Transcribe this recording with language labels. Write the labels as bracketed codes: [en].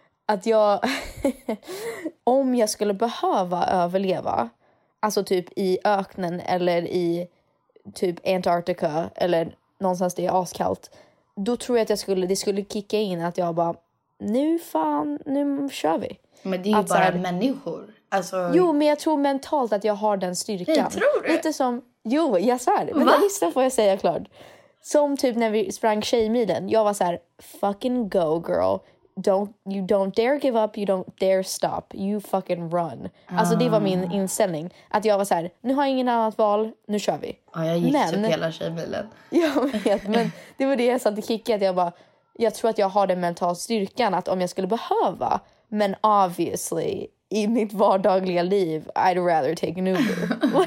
[sv] Att jag, om jag skulle behöva överleva, alltså typ i öknen eller i typ Antarktika eller någonstans det är askallt, då tror jag att det skulle kicka in att jag bara, nu fan, nu kör vi. Men det är ju att bara här, människor. Alltså... Jo, men jag tror mentalt att jag har den styrkan. Jag tror det. Lite som, jo, jag svär. Men det sista får jag säga klart. Som typ när vi sprang tjejmilen, jag var så här, [en] fucking go girl. You don't dare give up, you don't dare stop, you fucking run. [sv] Alltså det var min inställning, att jag var så här, nu har jag ingen annat val, nu kör vi. Jag vet, men det var det jag sa till Kiki, att jag bara, jag tror att jag har den mental styrkan att om jag skulle behöva, men [en] obviously [sv] i mitt vardagliga liv [en] I'd rather take an Uber.